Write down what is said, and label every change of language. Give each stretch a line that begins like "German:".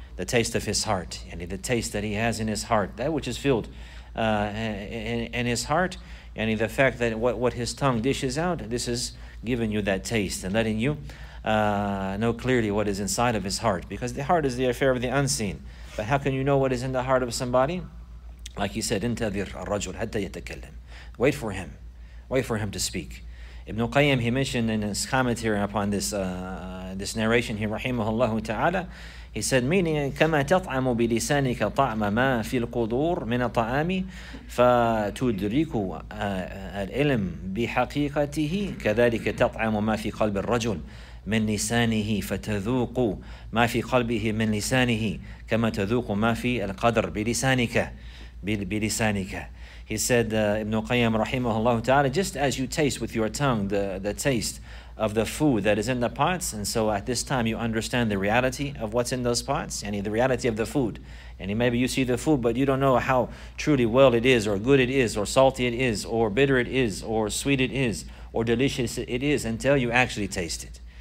English: The taste of his heart. Yani the taste that he has in his heart. That which is filled in his heart. And the fact that what his tongue dishes out, this is giving you that taste and letting you know clearly what is inside of his heart, because the heart is the affair of the unseen. But how can you know what is in the heart of somebody?
Arabic: Like he said, انتظر الرجل حتى يتكلم.
English: Wait for him. Wait for him to speak. Ibn Qayyim, he mentioned in his commentary upon this this narration here,
Arabic: رحمه ta'ala,
English: he said, meaning,
Arabic: كما تطعم بلسانك طعم ما في القدور من الطعام فتدرك العلم بحقيقته كذلك تطعم ما في قلب الرجل من لسانه فتذوق ما في قلبه من لسانه كما تذوق ما في القدر بلسانك بلسانك.
English: He said, Ibn Qayyim rahimahullah ta'ala, just as you taste with your tongue the taste of the food that is in the pots, and so at this time you understand the reality of what's in those pots, yani the reality of the food. And maybe you see the food, but you don't know how truly well it is, or good it is, or salty it is, or bitter it is, or sweet it is, or delicious it is, until you actually taste it.